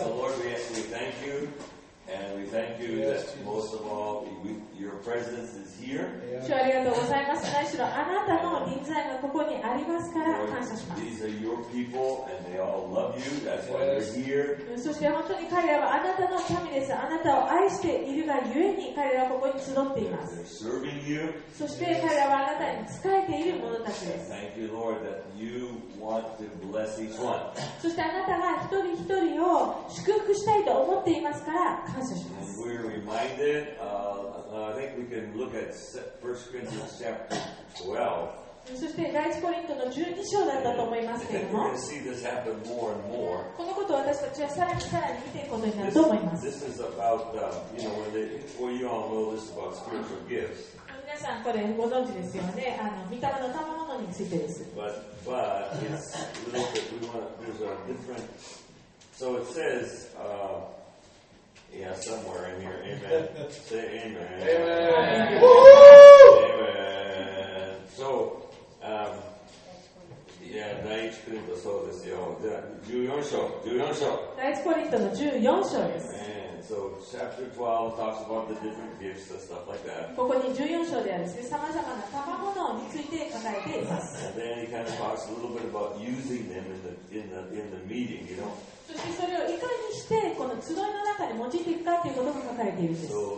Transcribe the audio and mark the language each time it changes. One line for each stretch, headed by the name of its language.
English: So Lord, we ask you, thank you. And we thank you that most of all, your presence is here.
Japanese: 主ありがとうございます。何しろあなたの臨在がここにありますから感謝します。
English: These are your people and they all love you. That's why they're here.
Japanese: そして本当に彼らはあなたの民です。あなたを愛しているがゆえに彼らはここに集っています。
English: They're serving you.
Japanese: そして彼らはあなたに仕えている者たちです。
English: Thank you, Lord, that you want to bless each one.
Japanese: そしてあなたが一人一人を祝福したいと思っていますから感謝します。
English: And we're reminded, I think we can look at 1 Corinthians chapter 12.
Japanese: そして第一コリントの12章だったと思いますけれども。
English: We can see this happen more and more.
Japanese: このことを私たちはさらにさらに見ていくことになると思います。
English: This is about, you know, well, you all know this about spiritual gifts.
Japanese: 皆さんこれご存知ですよね。御霊の賜物についてです。
English: But it's a little bit, we want, there's a different, so it says, Yeah, somewhere in here. Amen. Say amen. Amen. Amen.
Japanese: So, yeah, 第1コリントそうですよ。 14章。第1コリントの14章です。
English: Amen. So, chapter 12 talks about the different gifts and stuff like that.
Japanese: ここに14章ではですね、さまざまな賜物について書かれています。
English: And then he kind of talks a little bit about using them in the meeting, you know?
Japanese: そしてそれをいかにしてこの集いの中に用いていくかということが書かれているんです。